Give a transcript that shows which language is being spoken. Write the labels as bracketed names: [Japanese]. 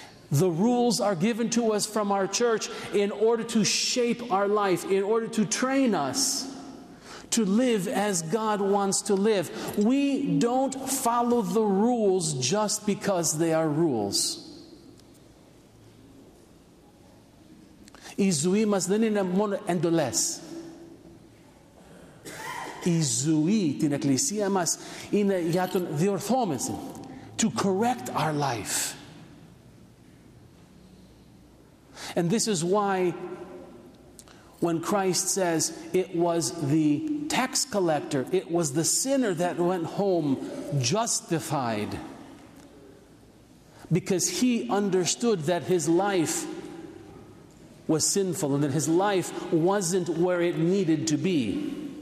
[English] The rules are given to us from our church in order to shape our life, in order to train us to live as God wants to live. We don't follow the rules just because they are rules. [Greek] Η ζωή μας δεν είναι μόνο εντολές. Η ζωή, την εκκλησία μας, είναι για τον διορθώμεθο, [English] to correct our life. And this is why when Christ says it was the tax collector, it was the sinner that went home justified, because he understood that his life was sinful and that his life wasn't where it needed to be.